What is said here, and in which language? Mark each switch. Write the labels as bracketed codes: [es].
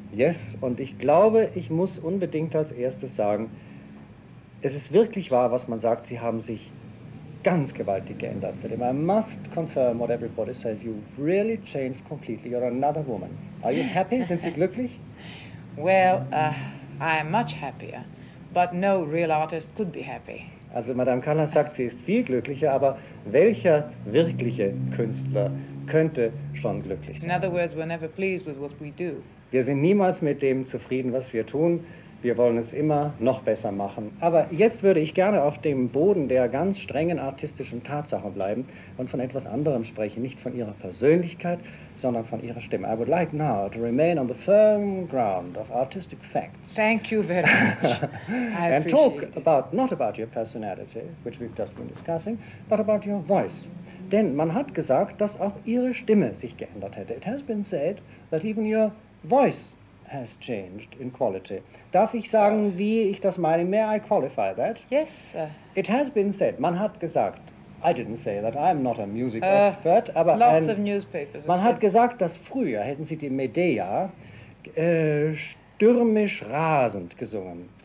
[de] Yes, und ich glaube, ich muss unbedingt als erstes sagen, es ist wirklich wahr, was man sagt, Sie haben sich ganz gewaltig geändert. [en] I must confirm what everybody says, you've really changed completely, you're another woman. Are you happy? [de] Sind Sie glücklich? [en] Well, I am much happier, but no real artist could be happy. [de] Also Madame Callas sagt, sie ist viel glücklicher, aber welcher wirkliche Künstler könnte schon glücklich sein? [en] In other words, we're never pleased with what we do. [de] Wir sind niemals mit dem zufrieden, was wir tun. Wir wollen es immer noch besser machen. Aber jetzt würde ich gerne auf dem Boden der ganz strengen artistischen Tatsachen bleiben und von etwas anderem sprechen, nicht von Ihrer Persönlichkeit, sondern von Ihrer Stimme. [en] I would like now to remain on the firm ground of artistic facts. Thank you very much. I and talk it. About not about your personality, which we've just been discussing, but about your voice. [de] Denn man hat gesagt, dass auch Ihre Stimme sich geändert hätte. [en] It has been said that even your voice has changed in quality. [de] Darf ich sagen, wie ich das meine? [en] May I qualify that? Yes. It has been said, [de] man hat gesagt, [en] I didn't say that, I'm not a music expert, [de] aber man hat gesagt, dass früher hätten Sie die Medea stürmisch rasend gesungen.